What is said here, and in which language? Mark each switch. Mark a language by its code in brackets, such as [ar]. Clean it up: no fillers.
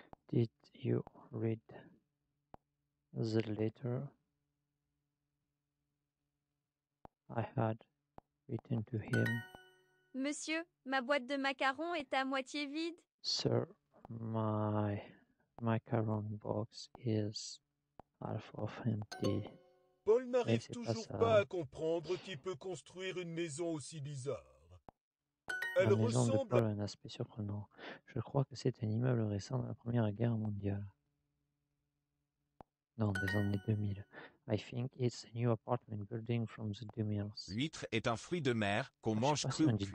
[en] Did you read the letter I had written to him? [fr] Monsieur, ma boîte de macarons est à moitié vide. [en] Sir, my macaron box is half of empty. [fr] Paul n'arrive toujours pas à comprendre qui peut construire une maison aussi bizarre. Elle la maison ressemble... de Paul a un aspect surprenant. Je crois que c'est un immeuble récent de la Première Guerre mondiale. Non, des années 2000. [en] I think it's a new apartment building from the 2000s. [fr] L'huître est un fruit de mer qu'on mange cru.